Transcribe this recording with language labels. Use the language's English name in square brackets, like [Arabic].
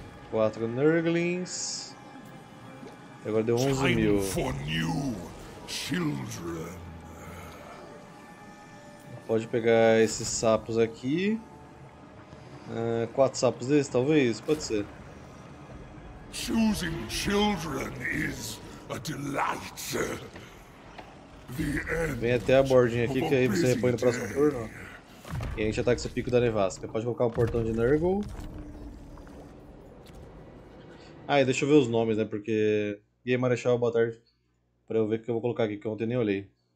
[Portuguese] 4 Nurglings. Agora deu 11 mil. [English] For new children. [Portuguese] Pode pegar esses sapos aqui. Quatro sapos desses, talvez? Pode ser. [English] Choosing children is a delight. [Portuguese] Vem até a bordinha aqui que aí você repõe no próximo turno. E a gente ataca esse pico da nevasca. Pode colocar o portão de Nurgle. Ah, e deixa eu ver os nomes, né? Porque. E aí, Marechal, boa tarde. Pra eu ver o que eu vou colocar aqui, que eu ontem nem olhei.